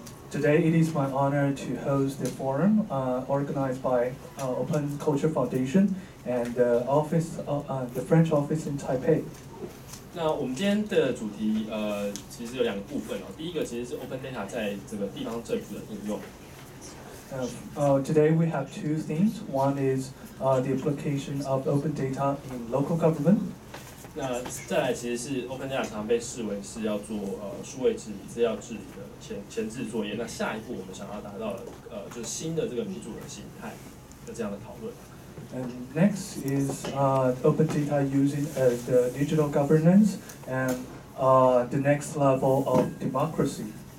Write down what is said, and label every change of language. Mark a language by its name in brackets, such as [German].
[English] Today it is my honor to host the forum organized by Open Culture Foundation and the office the French office in Taipei. [Chinese] 那我们今天的主题其实有两个部分哦，第一个其实是 Open Data 在整个地方政府的应用。 [English] Today we have two themes. One is the application of open data in local government. [Chinese] 那再来其实是 open data 常被视为是要做数位治理、资料治理的前置作业。那下一步我们想要达到就是新的这个民主的形态的这样的讨论。 [English] And next is open data using as the digital governance and the next level of democracy.